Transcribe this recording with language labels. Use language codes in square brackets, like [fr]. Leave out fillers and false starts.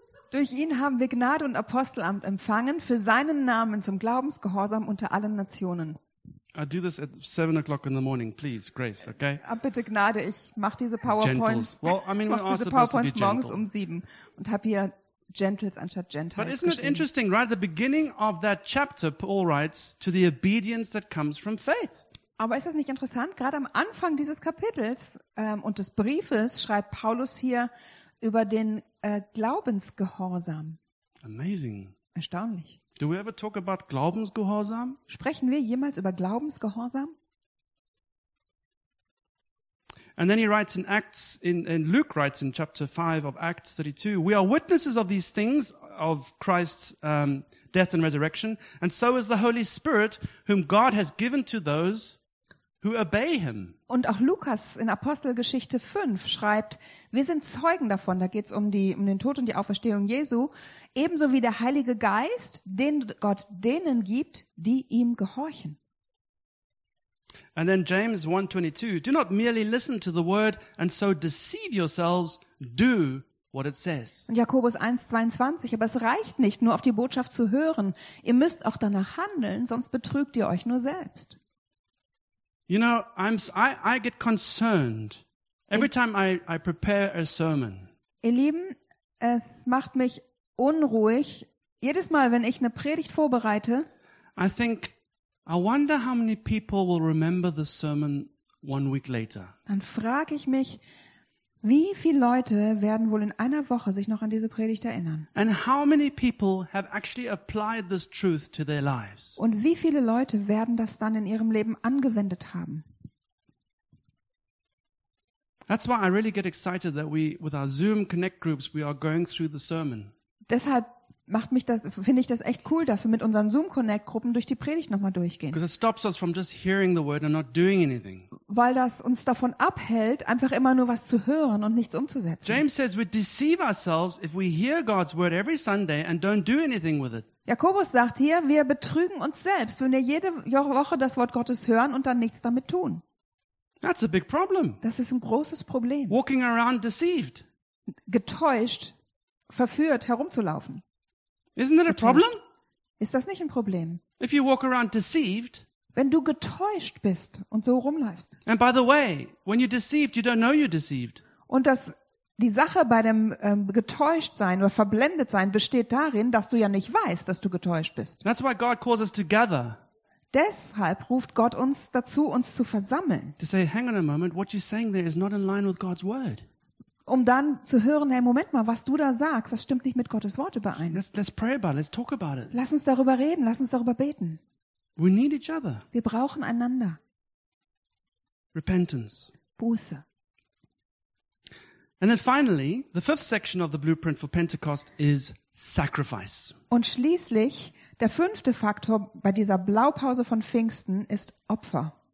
[de] Durch ihn haben wir Gnade und Apostelamt empfangen für seinen Namen zum Glaubensgehorsam unter allen Nationen. [en] I do this at 7 o'clock in the morning, please, Grace, okay? [de] Bitte Gnade, ich mache diese PowerPoints. [en] Well, I mean, we're [de] diese PowerPoints morgens um 7 und habe hier Gentles anstatt Gentiles. [en] But isn't it interesting, right? The beginning of that chapter, Paul writes to the obedience that comes from faith. [de] Aber ist das nicht interessant? Gerade am Anfang dieses Kapitels und des Briefes schreibt Paulus hier über den Glaubensgehorsam. [en] Amazing. [de] Erstaunlich. [en] Do we ever talk about Glaubensgehorsam? [de] Sprechen wir jemals über Glaubensgehorsam? [en] And then he writes in Acts, in Luke writes in chapter 5 of Acts 32, we are witnesses of these things, of Christ's death and resurrection, and so is the Holy Spirit, whom God has given to those who obey him. [de] Und auch Lukas in Apostelgeschichte 5 schreibt, wir sind Zeugen davon, da geht es um den Tod und die Auferstehung Jesu, ebenso wie der Heilige Geist, den Gott denen gibt, die ihm gehorchen. [en] And then James 1:22, do not merely listen to the word and so deceive yourselves, do what it says. [de] Und Jakobus 1:22, aber es reicht nicht, nur auf die Botschaft zu hören, ihr müsst auch danach handeln, sonst betrügt ihr euch nur selbst. [en] You know, I get concerned every time I prepare a sermon. [de] Ihr Lieben, es macht mich unruhig jedes Mal, wenn ich eine Predigt vorbereite. [en] I think, I wonder how many people will remember the sermon 1 week later. [de] Dann frage ich mich, wie viele Leute werden wohl in einer Woche sich noch an diese Predigt erinnern? [en] And how many people have actually applied this truth to their lives? [de] Und wie viele Leute werden das dann in ihrem Leben angewendet haben? [en] That's why I really get excited that we with our Zoom Connect groups we are going through the sermon. [de] Deshalb finde ich das echt cool, dass wir mit unseren Zoom Connect Gruppen durch die Predigt nochmal durchgehen. [en] Because it stops us from just hearing the word and not doing anything. [de] Weil das uns davon abhält, einfach immer nur was zu hören und nichts umzusetzen. [en] James says we deceive ourselves if we hear God's word every Sunday and don't do anything with it. [de] Jakobus sagt hier, wir betrügen uns selbst, wenn wir jede Woche das Wort Gottes hören und dann nichts damit tun. [en] That's a big problem. [de] Das ist ein großes Problem. [en] Walking around deceived. [de] Getäuscht, verführt herumzulaufen. [en] Isn't that a problem? [de] Ist das nicht ein Problem? [en] If you walk around deceived, [de] wenn du getäuscht bist und so rumläufst. [en] And by the way, when you're deceived, you don't know you're deceived. [de] Und dass die Sache bei dem getäuscht sein oder verblendet sein besteht darin, dass du ja nicht weißt, dass du getäuscht bist. [en] That's why God calls us together. [de] Deshalb ruft Gott uns dazu, uns zu versammeln. [en] To say, hang on a moment, what you're saying there is not in line with God's word. [de] Um dann zu hören, hey, Moment mal, was du da sagst, das stimmt nicht mit Gottes Wort überein. [en] Let's pray about it, let's talk about it. [de] Lass uns darüber reden, lass uns darüber beten. [en] We need each other. [de] Wir brauchen einander. [en] Repentance. [de] Buße. [en] And then finally, the fifth section of the blueprint for Pentecost is sacrifice. [de] Und schließlich, der fünfte Faktor bei dieser Blaupause von Pfingsten ist Opfer.